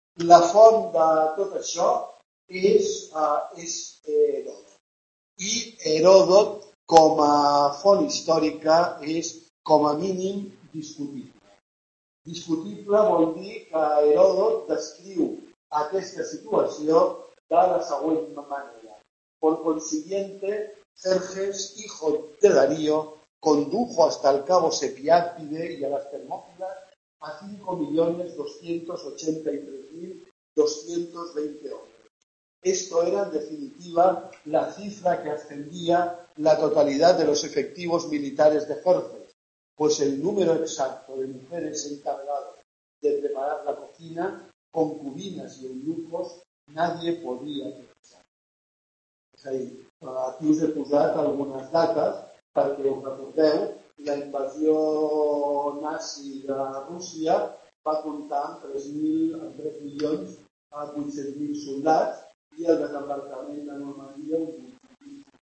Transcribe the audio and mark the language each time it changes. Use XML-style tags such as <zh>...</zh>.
<ca>La font de tot això és Heròdot. I Heròdot, com a font històrica, és com a mínim discutible. Discutible vol dir que Heròdot descriu aquesta situació de la següent manera.</ca> <es>Por consiguiente, Jerjes, hijo de Darío, condujo hasta el cabo Sepiápide y a las Termópilas a 5.283.220 hombres. Esto era, en definitiva, la cifra que ascendía la totalidad de los efectivos militares de Jerjes, pues el número exacto de mujeres encargadas de preparar la cocina, concubinas y eunucos, nadie podía pensar.</es> <ca>Aquí us he posat algunes dates perquè us recordeu. La invasió nazi de Rússia va comptar amb 3.800.000 soldats i el desembarcament de Normandia un 8.000.</ca>